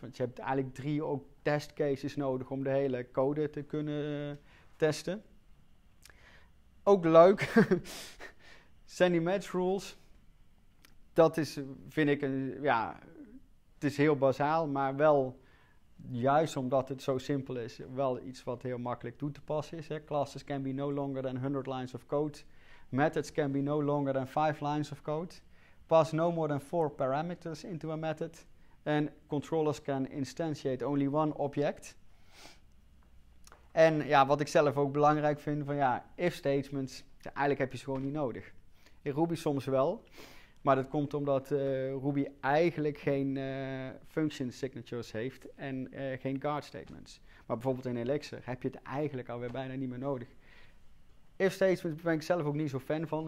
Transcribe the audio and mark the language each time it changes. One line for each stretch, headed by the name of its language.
Dutch: Want je hebt eigenlijk 3 ook test cases nodig om de hele code te kunnen testen. Ook leuk. Sandy Match Rules. Dat is, vind ik, het is heel bazaal, maar wel, juist omdat het zo simpel is, wel iets wat heel makkelijk toe te passen is. Hè?
English: Classes can be no longer than 100 lines of code. Methods can be no longer than 5 lines of code. Pass no more than 4 parameters into a method. And controllers can instantiate only 1 object.
Dutch: En wat ik zelf ook belangrijk vind, if statements, eigenlijk heb je ze gewoon niet nodig. In Ruby soms wel. Maar dat komt omdat Ruby eigenlijk geen function signatures heeft en geen guard statements. Maar bijvoorbeeld in Elixir heb je het eigenlijk alweer bijna niet meer nodig. If statements ben ik zelf ook niet zo fan van.